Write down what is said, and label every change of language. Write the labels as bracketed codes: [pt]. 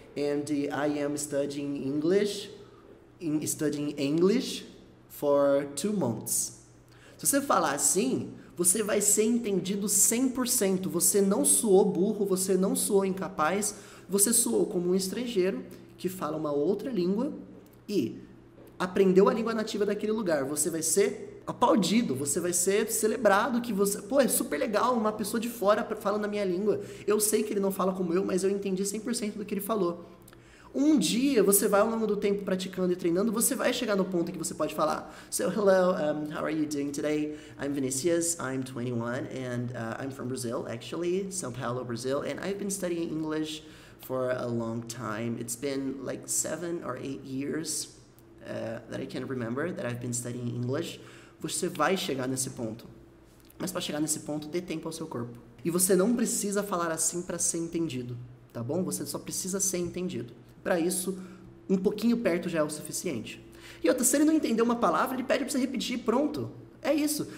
[en] and I am studying English, studying English for 2 months. [pt] Se você falar assim, você vai ser entendido 100%. Você não soou burro, você não soou incapaz, você soou como um estrangeiro que fala uma outra língua e aprendeu a língua nativa daquele lugar. Você vai ser aplaudido, você vai ser celebrado que você... Pô, é super legal, uma pessoa de fora falando a minha língua. Eu sei que ele não fala como eu, mas eu entendi 100% do que ele falou. Um dia, você vai ao longo do tempo praticando e treinando, você vai chegar no ponto em que você pode falar, [en] so, hello, how are you doing today? I'm Vinicius, I'm 21, and I'm from Brazil, actually, São Paulo, Brazil, and I've been studying English for a long time. It's been like 7 or 8 years that I can remember that I've been studying English. [pt] Você vai chegar nesse ponto. Mas para chegar nesse ponto, dê tempo ao seu corpo. E você não precisa falar assim para ser entendido, tá bom? Você só precisa ser entendido. Para isso, um pouquinho perto já é o suficiente. E outra, se ele não entendeu uma palavra, ele pede para você repetir, pronto. É isso.